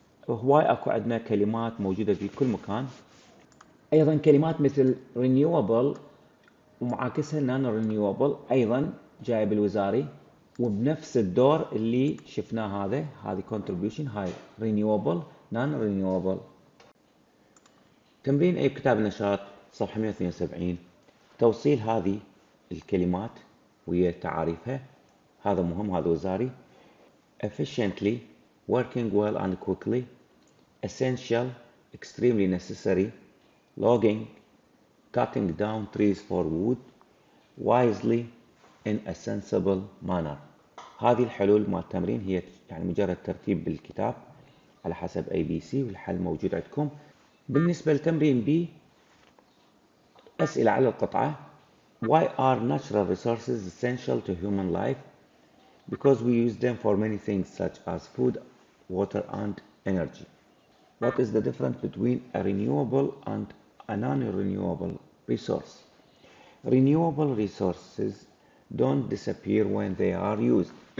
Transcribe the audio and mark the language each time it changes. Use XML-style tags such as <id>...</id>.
<ar>هواي أكو عندنا كلمات موجودة في كل مكان. أيضا كلمات مثل renewable ومعاكسها non-renewable أيضا جاي بالوزاري، وبنفس الدور اللي شفناه هذا، هذه contribution، هاي renewable non-renewable. تمرين أي كتاب نشاط صفحة 172، توصيل هذه الكلمات ويا تعريفها، هذا مهم، هذا وزاري.</ar> <en>efficiently working well and quickly، essential extremely necessary، logging cutting down trees for wood، wisely in a sensible manner.</en> <ar>هذه الحلول مع التمرين هي يعني مجرد ترتيب بالكتاب على حسب A B C، والحل موجود عندكم. بالنسبة لتمرين B، أسئلة على القطعة.</ar> <en>Why are natural resources essential to human life? Because we use them for many things such as food, water and energy. What is the difference between a renewable and a non-renewable resource? Renewable resources don't disappear when they are used.</en>